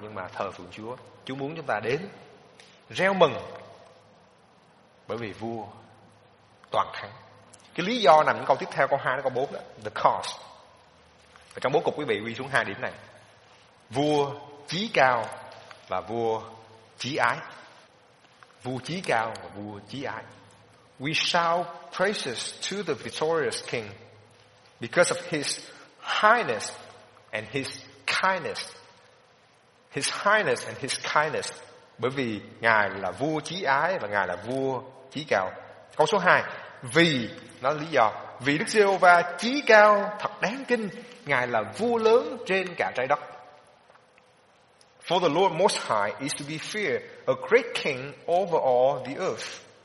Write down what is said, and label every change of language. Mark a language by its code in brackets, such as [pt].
[vi] Nhưng mà thờ phượng Chúa, Chúa muốn chúng ta đến reo mừng bởi vì vua toàn thắng. Cái lý do nằm ở câu tiếp theo, câu 2 đến câu 4 đó, [en] the cause. [vi] Và trong bố cục quý vị ghi xuống hai điểm này: vua chí cao và vua chí ái. Vua chí cao và vua chí ái. [en] We shout praises to the victorious king because of his highness and his kindness. His highness and his kindness. [vi] Bởi vì Ngài là vua chí ái và Ngài là vua chí cao. Câu số 2. Vì, nó lý do. Vì Đức Giê-hô-va chí cao thật đáng kinh. Ngài là vua lớn trên cả trái đất. [en] For the Lord Most High is to be feared, a great king over all the earth.